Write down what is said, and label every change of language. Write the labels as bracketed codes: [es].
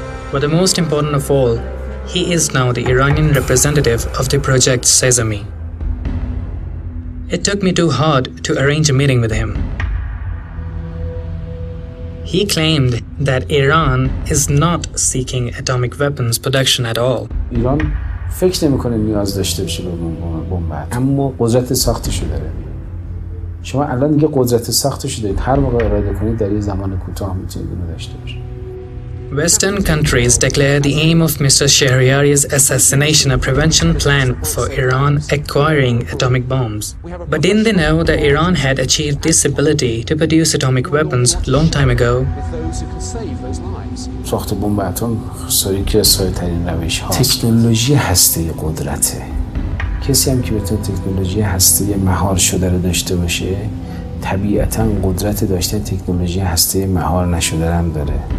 [en] But the most important of all, he is now the Iranian representative of the Project Sesame. It took me too hard to arrange a meeting with him. He claimed that Iran is not seeking atomic weapons production at all. [fa] Iran فکر نمی‌کنه نیاز داشته باشه به بمب اتم. اما قدرت ساختشو داره. شما الان دیگه قدرت ساختشو دارید. هر موقع اراده کنید در یه زمان کوتاه می‌تونید اینو داشته باشید. [en] Western countries declare the aim of Mr. Shehriari's assassination a prevention plan for Iran acquiring atomic bombs. But didn't they know that Iran had achieved this ability to produce atomic weapons long time ago? [fa] ساخت بمب اتم سریکی از سایترین روش ها تکنولوژی هسته قدرته کسی هم که بتونه تکنولوژی هسته مهار شده رو داشته باشه طبیعتا قدرت داشته تکنولوژی هسته مهار نشده هم داره